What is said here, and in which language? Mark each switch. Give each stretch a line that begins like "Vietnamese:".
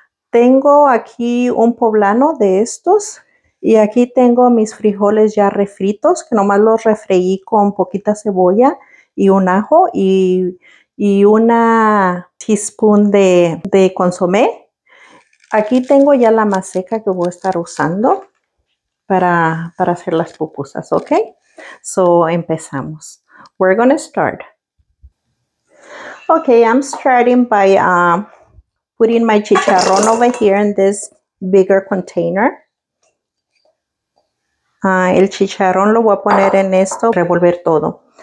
Spanish: Tengo aquí 1 poblano de estos y aquí tengo mis frijoles ya refritos, que nomás los refreí con poquita cebolla y 1 ajo y 1 teaspoon de consomé. Aquí tengo ya la maseca que voy a estar usando para hacer las pupusas, ¿ok?
English: So,
Spanish: empezamos.
English: We're gonna start. Okay, I'm starting by putting my chicharron over here in this bigger container.
Spanish: El chicharron lo voy a poner en esto, revolver todo.